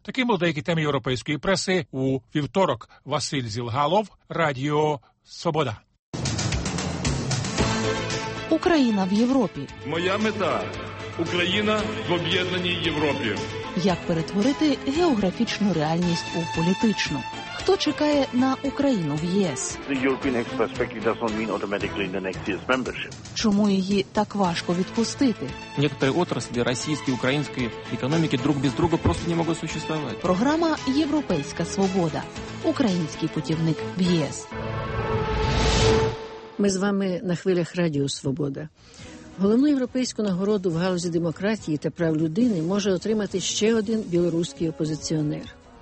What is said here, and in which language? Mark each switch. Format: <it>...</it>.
<uk>Такі були деякі теми європейської преси у вівторок. Василь Зілгалов, Радіо Свобода. Україна в Європі. Моя мета – Україна в об'єднаній Європі. Як перетворити географічну реальність у політичну? Хто чекає на Україну в ЄС?</uk> <en>The European perspective doesn't mean automatically the next year's membership.</en> <uk>Чому її так важко відпустити?</uk> <ru>Некоторі отраслі російської, української економіки друг без друга просто не можуть существовать.</ru> <uk>Програма «Європейська свобода». Український путівник в ЄС. Ми з вами на хвилях Радіо Свобода. Головну європейську нагороду в галузі демократії та прав людини може отримати ще один білоруський опозиціонер.</uk>